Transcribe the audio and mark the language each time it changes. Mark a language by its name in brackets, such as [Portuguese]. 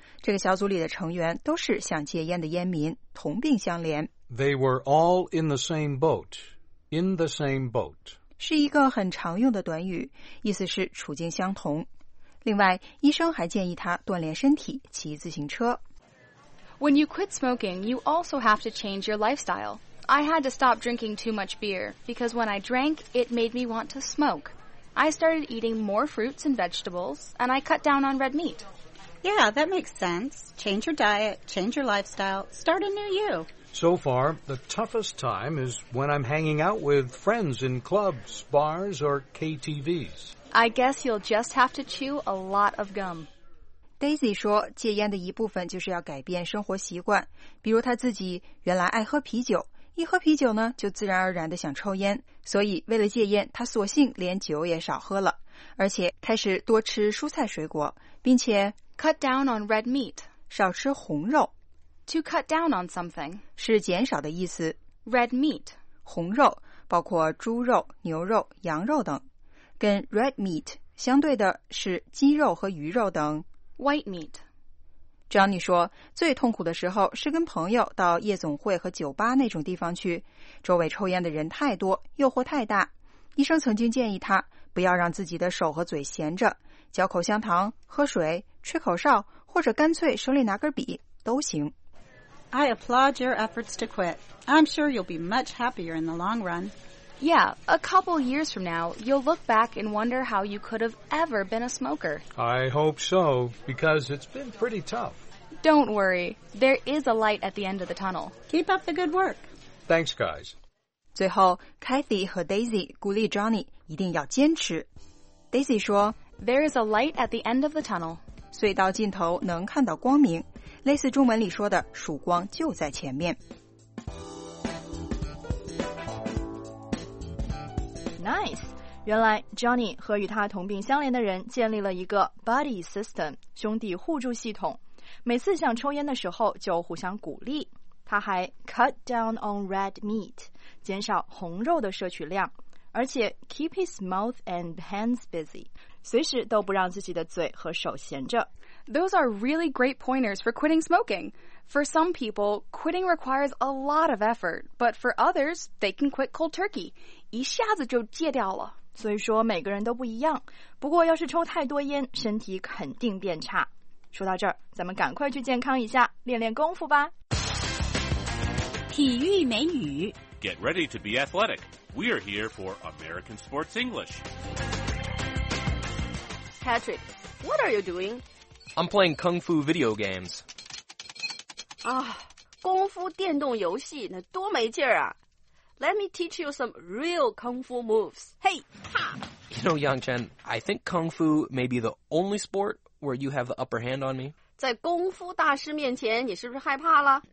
[Chinese] 这个小组里的成员都是想戒烟的烟民，同病相怜。 [English] They were all in the same boat. In the same boat. [Chinese] 是一个很常用的短语，意思是处境相同。另外，医生还建议他锻炼身体，骑自行车。 [English] When you quit smoking, you also have to change your lifestyle. I had to stop drinking too much beer, because when I drank, it made me want to smoke. I started eating more fruits and vegetables, and I cut down on red meat. Yeah, that makes sense. Change your diet, change your lifestyle, start a new you. So far, the toughest time is when I'm hanging out with friends in clubs, bars, or KTVs. I guess you'll just have to chew a lot of gum. [Chinese] Daisy 说，戒烟的一部分就是要改变生活习惯，比如她自己原来爱喝啤酒，一喝啤酒呢，就自然而然地想抽烟，所以为了戒烟，她索性连酒也少喝了，而且开始多吃蔬菜水果，并且 [English] cut down on red meat， [Chinese] 少吃红肉。 [English] To cut down on something [Chinese] 是减少的意思。 [English] Red meat [Chinese] 红肉包括猪肉、牛肉、羊肉等，跟 red meat 相对的是鸡肉和鱼肉等。 [English] White meat. [Chinese] Johnny 说，最痛苦的时候是跟朋友到夜总会和酒吧那种地方去，周围抽烟的人太多，诱惑太大。医生曾经建议他不要让自己的手和嘴闲着，嚼口香糖、喝水、吹口哨，或者干脆手里拿根笔都行。 [English] I applaud your efforts to quit. I'm sure you'll be much happier in the long run. Yeah, a couple years from now, you'll look back and wonder how you could have ever been a smoker. I hope so, because it's been pretty tough. Don't worry, there is a light at the end of the tunnel. Keep up the good work. Thanks, guys. [Chinese] 最后 ,Kathy 和 Daisy 鼓励 Johnny 一定要坚持。Daisy 说 [English] ,There is a light at the end of the tunnel. [Chinese] 隧道尽头能看到光明。类似中文里说的曙光就在前面。 Nice! 原来 Johnny 和与他同病相怜的人建立了一个 buddy system, 兄弟互助系统。每次想抽烟的时候就互相鼓励。他还 [English] cut down on red meat, [Chinese] 减少红肉的摄取量。而且 [English] keep his mouth and hands busy, [Chinese] 随时都不让自己的嘴和手闲着。 [English] Those are really great pointers for quitting smoking. For some people, quitting requires a lot of effort, but for others, they can quit cold turkey. [Chinese] 一下子就戒掉了。所以说每个人都不一样。不过要是抽太多烟，身体肯定变差。说到这儿，咱们赶快去健康一下，练练功夫吧。体育美女。 [English] Get ready to be athletic. We are here for American Sports English. Patrick, what are you doing? I'm playing kung fu video games. [Chinese] Ah, 功夫电动游戏那多没劲啊。 [English] Let me teach you some real kung fu moves. Hey, ha! You know, Yangchen, I think kung fu may be the only sport where you have the upper hand on me. [Chinese] 在功夫大师面前你是不是害怕了?